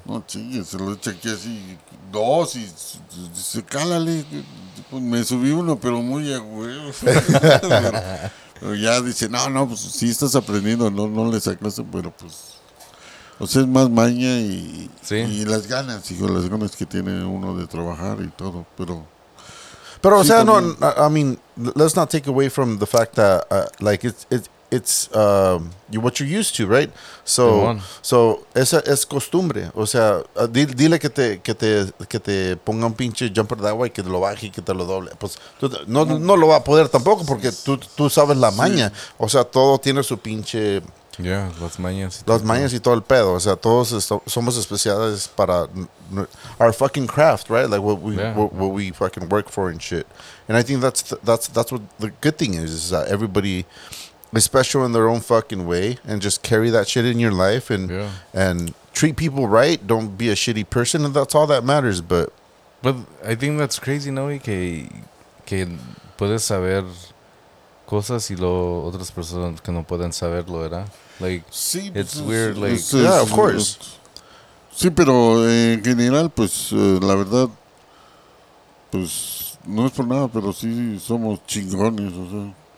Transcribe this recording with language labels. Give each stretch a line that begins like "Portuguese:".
Spanish: No, chingue, se lo echa aquí así dos y dice, cálale. Pues me subí uno, pero muy a huevo. Pero ya dice, no, no, pues sí estás aprendiendo, no, no le sacas, pero pues. O sea, es más maña y, ¿sí? Y las ganas, hijo, las ganas que tiene uno de trabajar y todo, pero. Pero, sí, o sea, también, no,
English: I mean, let's not take away from the fact that, like, it's you what you're used to, right?
Spanish: So esa es costumbre, o sea, dile que te ponga un pinche jumper de agua y que lo baje y que te lo doble, pues tú, no, no lo va a poder tampoco porque tú sabes la maña. Sí. O sea, todo tiene su pinche, yeah, las mañas y las mañas y todo el pedo, o sea, todos somos especiales para
English: our fucking craft, right? Like what we, yeah, what, yeah, what we fucking work for and shit. And I think that's what the good thing is that everybody especially in their own fucking way, and just carry that shit in your life, and and treat people right. Don't be a shitty person, and that's all that matters. But I think that's crazy, ¿no?
Spanish: Que puedes saber cosas y lo otras personas que no pueden saberlo, ¿verdad?
English: Like,
Spanish: sí,
English: it's weird. Like, it's, yeah, of course.
Spanish: Sí, pero en general, pues la verdad, pues no es por nada, pero sí somos chingones, o sea.